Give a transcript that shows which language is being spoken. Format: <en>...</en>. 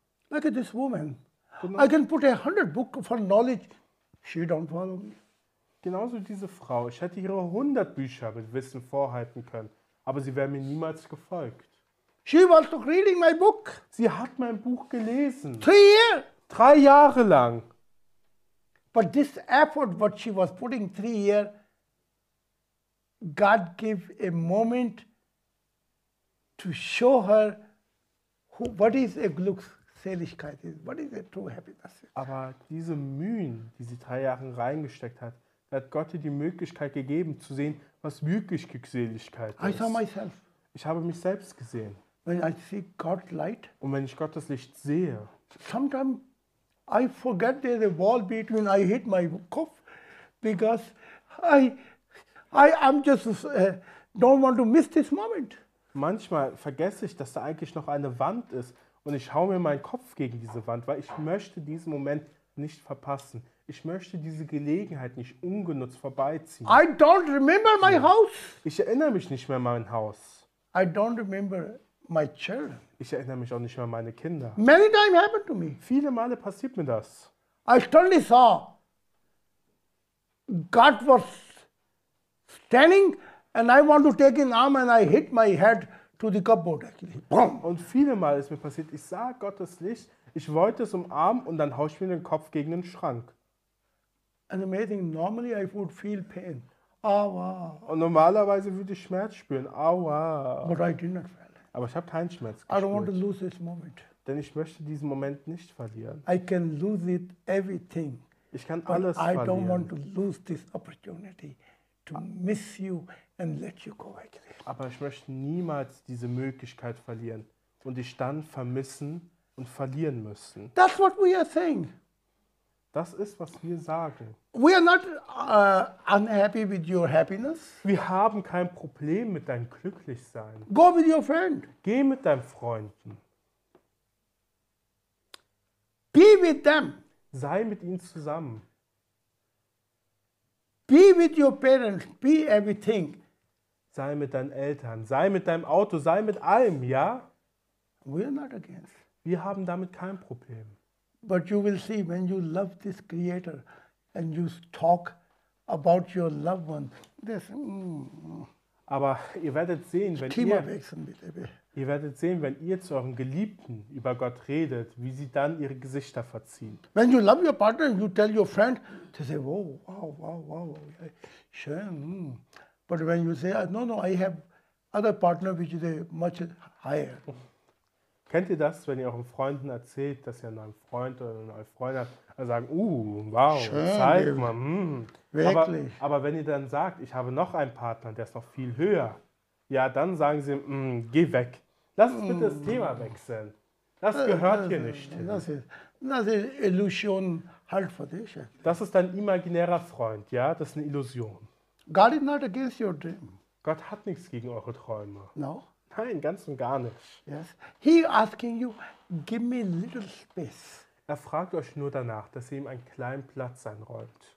<en>Look at this woman. I can put 100 books for knowledge. She don't follow me.</en> <de>Genauso diese Frau. Ich hätte ihre 100 Bücher mit Wissen vorhalten können, aber sie wäre mir niemals gefolgt.</de> <en>She was not reading my book.</en> <de>Sie hat mein Buch gelesen.</de> <en>3 years?</en> <de>3 Jahre lang.</de> <en>But this effort, what she was putting 3 years, God gave a moment to show her who, what is a Glückseligkeit is, what is a true happiness.</en> <de>Aber diese Mühen, die sie 3 Jahre reingesteckt hat, hat Gott ihr die Möglichkeit gegeben, zu sehen, was wirklich Glückseligkeit ist.</de> <en>I saw myself.</en> <de>Ich habe mich selbst gesehen.</de> <en>When I see God's light,</en> <de>und wenn ich Gottes Licht sehe,</de> <en>sometimes I forget there's a wall between I hit my cuff, because I'm just don't want to miss this moment.</en> <de>Manchmal vergesse ich, dass da eigentlich noch eine Wand ist und ich hau mir meinen Kopf gegen diese Wand, weil ich möchte diesen Moment nicht verpassen. Ich möchte diese Gelegenheit nicht ungenutzt vorbeiziehen.</de> <en>I don't remember my house.</en> <de>Ich erinnere mich nicht mehr an mein Haus.</de> <en>I don't remember my children.</en> <de>Ich erinnere mich auch nicht mehr an meine Kinder.</de> <en>Many times happened to me.</en> <de>Viele Male passiert mir das.</de> <en>I suddenly saw God was standing and I want to take an arm and I hit my head to the cupboard actually. Boom.</en> <de>Und viele Male ist mir passiert, ich sah Gottes Licht, ich wollte es umarmen und dann haue ich mir den Kopf gegen den Schrank.</de> <en>And amazing, normally I would feel pain. Aua.</en> <de>Und normalerweise würde ich Schmerz spüren. Aua.</de> <en>But I did not feel it.</en> <de>Aber ich habe keinen Schmerz gespürt.</de> <en>I don't want to lose this moment.</en> <de>Denn ich möchte diesen Moment nicht verlieren.</de> <en>I can lose it everything.</en> <de>Ich kann alles verlieren.</de> <en>I don't want to lose this opportunity to miss you and let you go again.</en> <de>Aber ich möchte niemals diese Möglichkeit verlieren und dich dann vermissen und verlieren müssen.</de> <en>That's what we are saying.</en> <de>Das ist, was wir sagen.</de> <en>We are not unhappy with your happiness.</en> <de>Wir haben kein Problem mit deinem Glücklichsein.</de> <en>Go with your friend.</en> <de>Geh mit deinen Freunden.</de> <en>Be with them.</en> <de>Sei mit ihnen zusammen.</de> <en>Be with your parents. Be everything.</en> <de>Sei mit deinen Eltern. Sei mit deinem Auto. Sei mit allem, ja?</de> <en>We are not against.</en> <de>Wir haben damit kein Problem.</de> <en>But you will see, when you love this creator and you talk about your loved one, this.</en> <de>Aber ihr werdet sehen, wenn ihr werdet sehen, wenn ihr zu eurem Geliebten über Gott redet, wie sie dann ihre Gesichter verziehen.</de> <en>When you love your partner and you tell your friend, they say, "Whoa, wow, wow, wow, wow, schön." But when you say, "No, no, I have other partner which is much higher."</en> <de>Kennt ihr das, wenn ihr euren Freunden erzählt, dass ihr einen neuen Freund oder eine neue Freundin habt, dann sagen, wow, zeig mal. Wirklich. Aber wenn ihr dann sagt, ich habe noch einen Partner, der ist noch viel höher, ja, dann sagen sie, geh weg. Lass uns bitte das Thema wechseln. Das gehört hier nicht hin. Das ist Illusion halt für dich. Das ist dein imaginärer Freund, ja, das ist eine Illusion.</de> <en>God is not against your dream.</en> <de>Gott hat nichts gegen eure Träume.</de> <en>No.</en> <de>Nein, ganz und gar nicht.</de> <en>Yes. He asking you, give me a little space.</en> <de>Er fragt euch nur danach, dass ihr ihm einen kleinen Platz einräumt.</de>